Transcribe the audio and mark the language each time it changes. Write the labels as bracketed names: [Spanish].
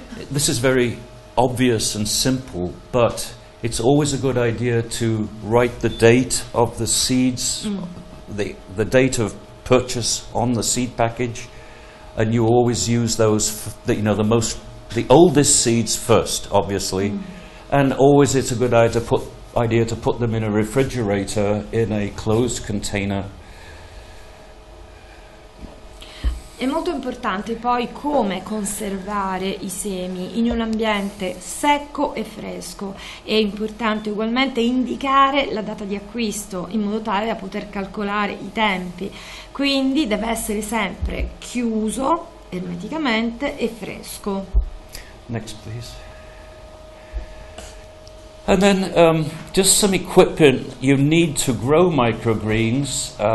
[English] This is very obvious and simple, but it's always a good idea to write the date of the seeds, the date of purchase on the seed package, and you always use those, the oldest seeds first, obviously, and always it's a good idea to put them in a refrigerator in a closed container. [Italian] È molto importante poi come conservare i semi in un ambiente secco e fresco. È importante ugualmente indicare la data di acquisto in modo tale da poter calcolare i tempi. Quindi deve essere sempre chiuso ermeticamente e fresco. [English] Next, please. And then just some equipment you need to grow microgreens.